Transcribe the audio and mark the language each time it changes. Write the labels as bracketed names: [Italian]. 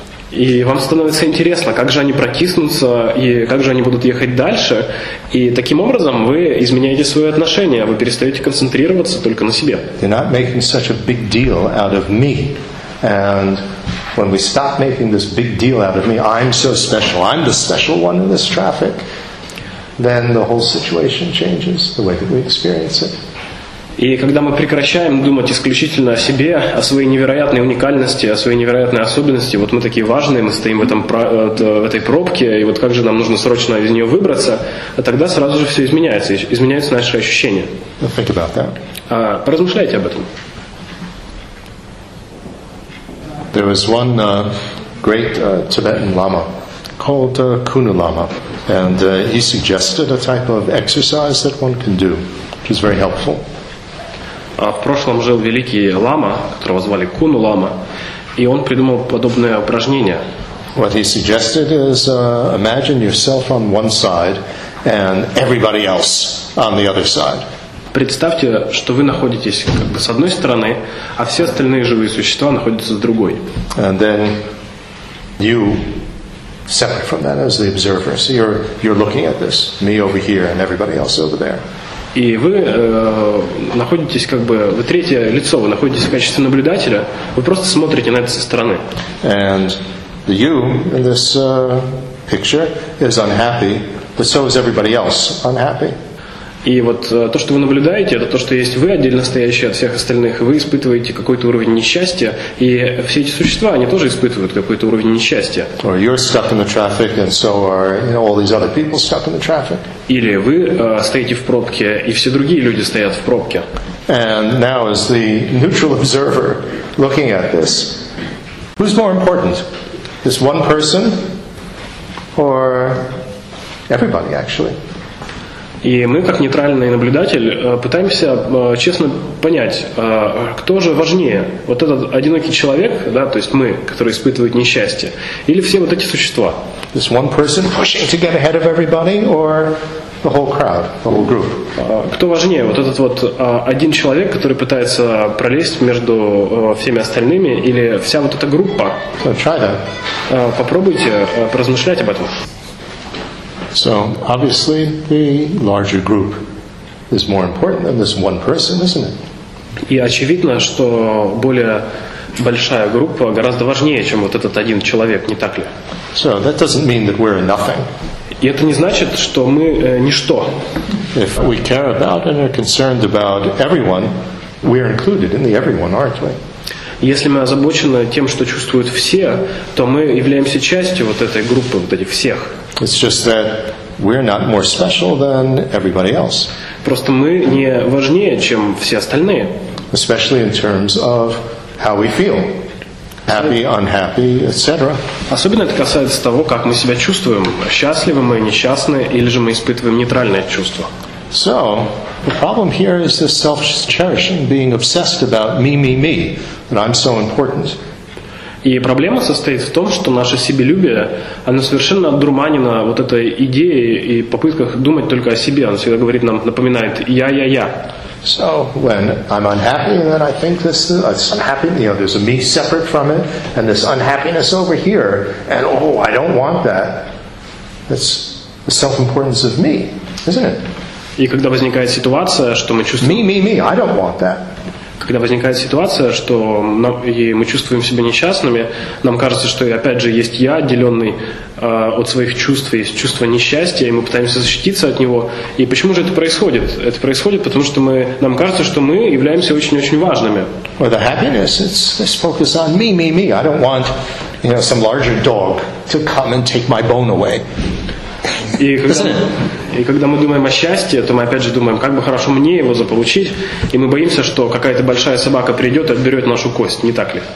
[Russian] И вам становится интересно, как же они протиснутся, и как же они будут ехать дальше. И таким образом вы изменяете свое отношение, вы перестаете концентрироваться только на себе. [English] You're not making such a big deal out of me. And when we stop making this big deal out of me, I'm so special, I'm the special one in this traffic, then the whole situation changes, the way that we experience it. [Russian] И когда мы прекращаем думать исключительно о себе, о своей невероятной уникальности, о своей невероятной особенности, вот мы такие важные, мы стоим в этой пробке, и вот как же нам нужно срочно из нее выбраться, тогда сразу же все изменяется, изменяются наши ощущения. [English] Think about that. [Russian] Поразмышляйте об этом. [English] There was one great Tibetan lama called Kuna Lama, and he suggested a type of exercise that one can do, which is very helpful. [Russian] В прошлом жил великий лама, которого звали Куну Лама, и он придумал подобное упражнение. [English] What he suggested is imagine yourself on one side and everybody else on the other side. [Russian] Представьте, что вы находитесь как бы с одной стороны, а все остальные живые существа находятся с другой. [English] And then you separate from that as the observer. So you're looking at this, me over here and everybody else over there. [Russian] И вы находитесь как бы, вы третье лицо, вы находитесь в качестве наблюдателя, вы просто смотрите на это со стороны. [English] And you in this picture is unhappy, but so is everybody else unhappy. [Russian] И вот то, что вы наблюдаете, это то, что есть вы отдельно стоящие от всех остальных, вы испытываете какой-то уровень несчастья, и все эти существа, они тоже испытывают какой-то уровень несчастья. [English] Or you're stuck in the traffic, and so are, all these other people stuck in the traffic. [Russian] Или вы стоите в пробке, и все другие люди стоят в пробке. [English] And now as the neutral observer looking at this, who's more important? This one person or everybody actually? [Russian] И мы, как нейтральный наблюдатель, пытаемся честно понять, кто же важнее, вот этот одинокий человек, да, то есть мы, который испытывает несчастье, или все вот эти существа. [English] This one person pushing to get ahead of everybody, or The whole crowd, the whole group. [Russian] Кто важнее, вот этот вот один человек, который пытается пролезть между всеми остальными, или вся вот эта группа? [English] So try that. [Russian] Попробуйте поразмышлять об этом. [English] So obviously the larger group is more important than this one person, isn't it? [Russian] И очевидно, что более большая группа гораздо важнее, чем вот этот один человек, не так ли? [English] So that doesn't mean that we're nothing. [Russian] И это не значит, что мы ничто. [English] If we care about and are concerned about everyone, we are included in the everyone, aren't we? [Russian] Если мы озабочены тем, что чувствуют все, то мы являемся частью вот этой группы, вот этих всех. [English] It's just that we're not more special than everybody else. [Russian] Просто мы не важнее, чем все остальные. [English] Especially in terms of how we feel. Happy, unhappy, etc. [Russian] Особенно это касается того, как мы себя чувствуем. Счастливы мы, несчастны, или же мы испытываем нейтральное чувство. [English] So, the problem here is this self-cherishing, being obsessed about me, me, me, that I'm so important. [Russian] И проблема состоит в том, что наше себелюбие, оно совершенно одурманено вот этой идеей и попытках думать только о себе. Оно всегда говорит нам, напоминает «я, я, я». [English] So when I'm unhappy, then I think this unhappy, you know, there's a me separate from it, and this unhappiness over here, and oh, I don't want that. That's the self-importance of me, isn't it? [Russian] И когда возникает ситуация, что мы чувствуем... [English] Me, me, me, I don't want that. [Russian] Когда возникает ситуация, что мы чувствуем себя несчастными, нам кажется, что опять же есть я, отделенный от своих чувств, есть чувство несчастья, и мы пытаемся защититься от него. И почему же это происходит? Это происходит, потому что нам кажется, что мы являемся очень-очень важными. [English] Well, the happiness, it's focused on me, me, me. I don't want, you know, some larger dog to come and take my bone away. [Russian] И когда мы думаем о счастье, то мы опять же думаем, как бы хорошо мне его заполучить, и мы боимся, что какая-то большая собака придет и отберет нашу кость, не так ли?